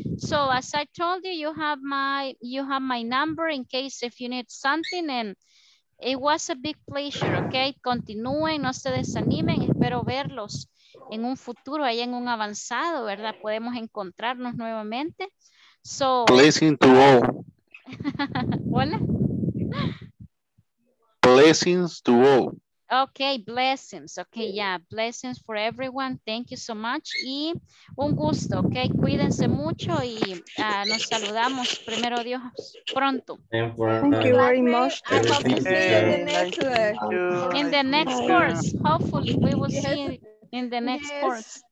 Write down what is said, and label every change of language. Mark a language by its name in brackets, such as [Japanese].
[English] So, as I told you, you have my number in case if you need something, and it was a big pleasure, ok. [Spanish] Continúen, no se desanimen, espero verlos en un futuro, ahí en un avanzado, ¿verdad? Podemos encontrarnos nuevamente. So, [English] blessing to all. [Spanish] Hola. [English] Blessings to all. Okay, blessings. Okay, yeah, blessings for everyone. Thank you so much. [Spanish] Y un gusto, okay? Cuídense mucho y nos saludamos, primero Dios, pronto. [English] Thank you very much. I hope to see you in the next course. In the next course, hopefully we will see you in the next course.